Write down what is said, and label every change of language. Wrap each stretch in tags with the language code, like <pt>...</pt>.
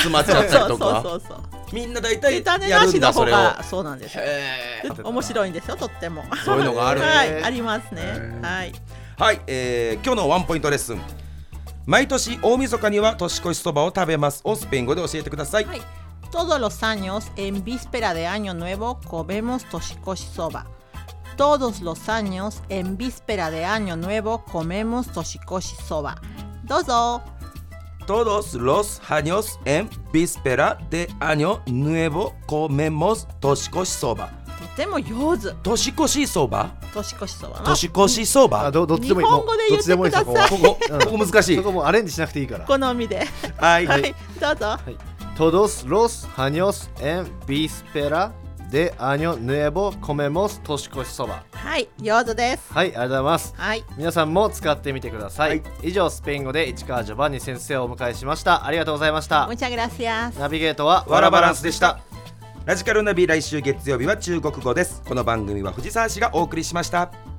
<ja>喉に詰まっちゃったりとか。そうみんな大体やるんだ、種なしの方が。そうなんですよ。面白いんですよ、とっても。そういうのがある、はい、ありますね。はい、はい、今日のワンポイントレッスン。毎年大晦日には年越しそばを食べますをスペイン語で教えてください。</ja> <es>はい、todos los años en víspera de año nuevo comemos 年越しそば。 Todos los años, en víspera de año nuevo, comemos toshikoshi soba.</es> <ja>¡Dozo!</ja> <es>Todos los años, en víspera de año nuevo, comemos toshikoshi soba.</es> <ja>とても上手。 toshikoshi soba? toshikoshi soba. toshikoshi soba? どっちでもいい。日本語で言ってください。ここ、ここ難しい。ここもアレンジしなくていいから。好みで。はい。はい、どうぞ。</ja> <es>Todos los años, en víspera... で、アニョヌエボコメモス年越しそば。</es> <ja>はい、上手です。はい、ありがとうございます。はい、皆さんも使ってみてください。はい、以上、スペイン語で市川ジョバンニ先生をお迎えしました。ありがとうございました。</ja> <es>ムチャグラシアス。</es> <ja>ナビゲートはワラバランスでした。ラジカルナビ、来週月曜日は中国語です。この番組は藤沢氏がお送りしました。</ja>